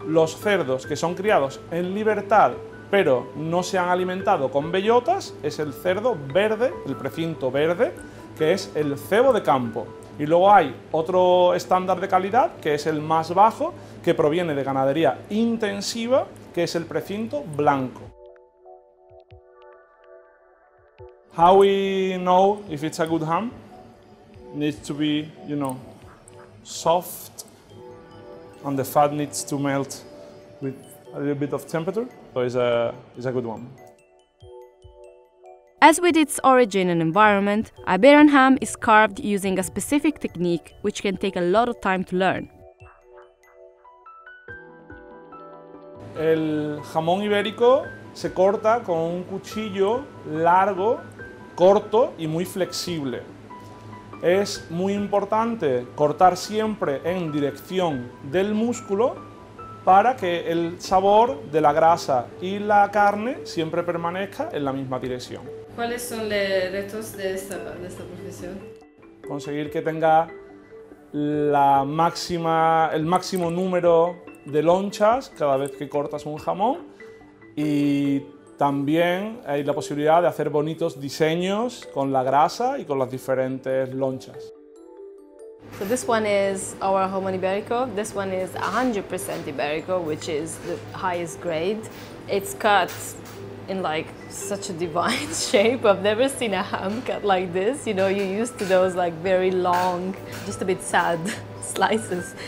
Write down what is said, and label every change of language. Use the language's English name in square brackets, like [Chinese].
[Spanish] Los cerdos que son criados en libertad, pero no se han alimentado con bellotas, es el cerdo verde, el precinto verde, que es el cebo de campo. Y luego hay otro estándar de calidad, que es el más bajo, que proviene de ganadería intensiva, que es el precinto blanco. [English] How we know if it's a good ham? Needs to be, you know, soft, and the fat needs to melt with a little bit of temperature, so it's a good one. As with its origin and environment, Iberian ham is carved using a specific technique which can take a lot of time to learn. [Spanish] El jamón ibérico se corta con un cuchillo largo, corto y muy flexible. Es muy importante cortar siempre en dirección del músculo para que el sabor de la grasa y la carne siempre permanezca en la misma dirección. ¿Cuáles son los retos de esta profesión? Conseguir que tenga el máximo número de lonchas cada vez que cortas un jamón, y también hay la posibilidad de hacer bonitos diseños con la grasa y con las diferentes lonchas. [English] So this one is our jamón ibérico. This one is 100% ibérico, which is the highest grade. It's cut in like such a divine shape. I've never seen a ham cut like this. You know, you're used to those like very long, just a bit sad slices.